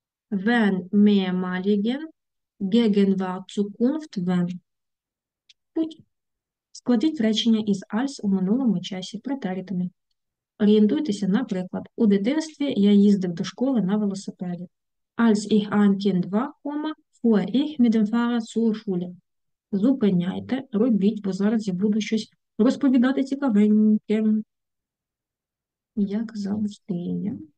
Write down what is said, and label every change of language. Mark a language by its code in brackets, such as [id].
[de] Wenn mehr maligen, Gegenwart, Zukunft, wenn. [uk] Складіть речення із als у минулому часі претеритумі. Орієнтуйтеся, наприклад, у дитинстві я їздив до школи на велосипеді. [de] Als ich ein Kind war, fuhr ich mit dem Fahrrad zur Schule. [uk] Зупиняйте, робіть, бо зараз я буду щось розповідати цікавеньке. Як завжди.